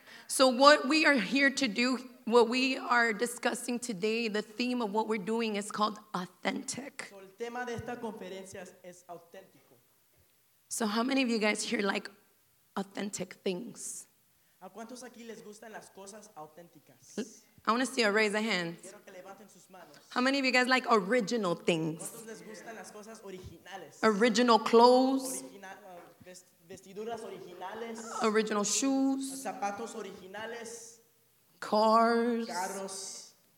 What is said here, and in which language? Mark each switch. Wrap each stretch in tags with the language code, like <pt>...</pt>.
<en>So what we are here to do, what we are discussing today, the theme of what we're doing is called authentic.</en> <es>So, el tema de esta conferencia es auténtico.</es> <en>So how many of you guys here like authentic things?</en> <es>¿A cuántos aquí les gustan las cosas auténticas?</es> <en>I want to see a raise of hands.</en> <es>Quiero que levanten sus manos.</es> <en>How many of you guys like original things?</en> <es>¿Cuántos les gustan las cosas originales?</es> <en>Original clothes.</en> <es>Vestiduras originales.</es> <en>Original shoes.</en> <es>Zapatos originales.</es> <en>Cars.</en> <es>Carros.</es>